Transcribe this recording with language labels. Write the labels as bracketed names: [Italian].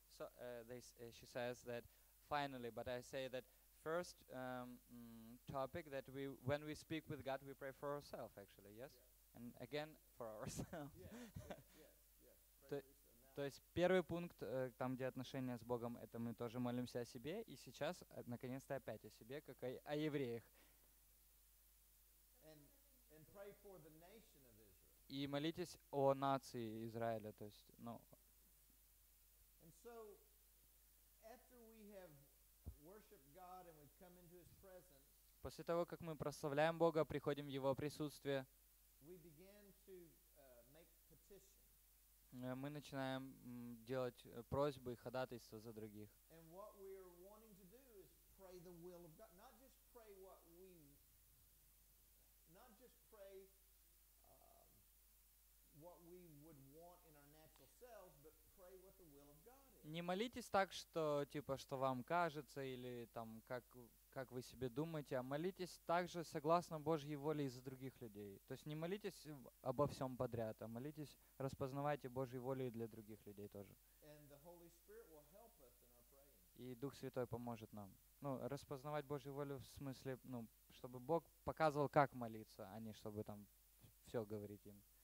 [English] So, she says that finally, but I say that first topic that we, when we speak with God, we pray for ourselves, actually, yes? Yes. And again, for ourselves. Yes, yes, yes. Yes. [Russian] То есть первый пункт, там, где отношения с Богом, это мы тоже молимся о себе, и сейчас, наконец-то, опять о себе, как о евреях. [English] And pray for the nation of Israel. [Russian] И молитесь о нации Израиля, то есть, ну. [English] And so, after we have worshiped God and we've come into His presence, [Russian] после того, как мы прославляем Бога, приходим в Его присутствие, [English] we began to, make petition. [Russian] Мы начинаем делать просьбы и ходатайства за других. [English] And what we are wanting to do is pray the will of God, not just pray what we, not just pray what we would want in our natural selves, but pray what the will of God is. [Russian] Не молитесь так, что типа что вам кажется или там как вы себе думаете, а молитесь также согласно Божьей воле и за других людей. То есть не молитесь обо всем подряд, а молитесь, распознавайте Божьей волю и для других людей тоже. [English] And the Holy Spirit will help us in our praying. [Russian] И Дух Святой поможет нам. Ну, распознавать Божью волю в смысле, ну, чтобы Бог показывал, как молиться, а не чтобы там все говорить им.